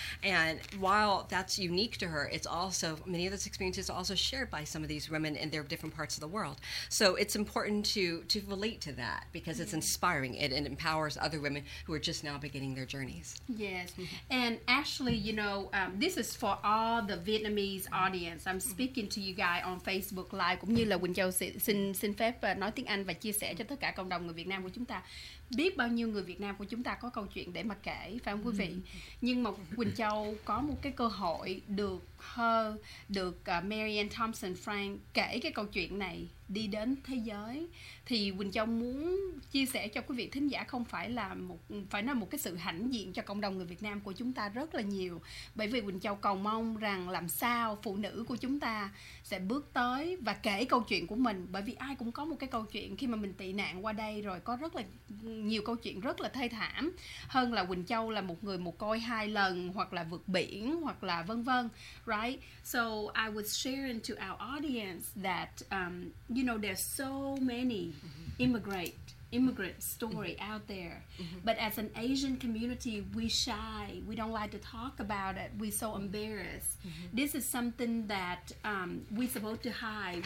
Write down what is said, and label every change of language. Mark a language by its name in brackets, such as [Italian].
[English] And while that's unique to her, it's also, many of those experiences are also shared by some of these women in their different parts of the world. So it's important to relate to that, because it's inspiring, and it empowers other women who are just now beginning their journeys. Yes. Mm-hmm. And actually, you know, this is for all the Vietnamese audience. I'm speaking to you guys on Facebook Live, [Vietnamese] cũng như là Quỳnh Châu xin phép nói tiếng Anh và chia sẻ cho tất cả cộng đồng người Việt Nam của chúng ta. Biết bao nhiêu người Việt Nam của chúng ta có câu chuyện để mà kể, phải không quý vị? Nhưng mà Quỳnh Châu có một cái cơ hội được Marianne Thompson Frank kể cái câu chuyện này đi đến thế giới. Thì Quỳnh Châu muốn chia sẻ cho quý vị thính giả, không phải là một, phải nói một cái sự hãnh diện cho cộng đồng người Việt Nam của chúng ta rất là nhiều. Bởi vì Quỳnh Châu cầu mong rằng làm sao phụ nữ của chúng ta sẽ bước tới và kể câu chuyện của mình. Bởi vì ai cũng có một cái câu chuyện khi mà mình tị nạn qua đây rồi, có rất là nhiều câu chuyện rất là thê thảm. Hơn là Quỳnh Châu là một người mồ côi hai lần, hoặc là vượt biển, hoặc là vân vân. [English] Right? So I was sharing to our audience that you know, there's so many immigrant story out there. But as an Asian community, we shy. We don't like to talk about it. We're so embarrassed. This is something that we're supposed to hide.